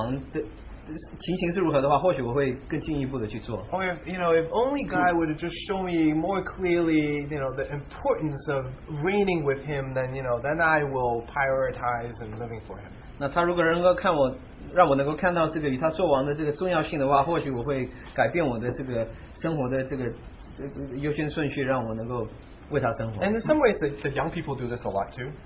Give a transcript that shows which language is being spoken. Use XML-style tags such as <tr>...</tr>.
<zh>那如果神让我能够清楚看见我与他做王的情形是如何的话, 或许我会更进一步的去做。</zh> <en>Or if, you know, if only God were to just show me more clearly, you know, the importance of reigning with him, then, you know, then I will prioritize and living for him.</en> <zh>那他如果能够看我, 让我能够看到这个与他做王的这个重要性的话，或许我会改变我的这个生活的这个优先顺序，让我能够为他生活。</zh> <en>And in some ways, the young people do this a lot too.</en>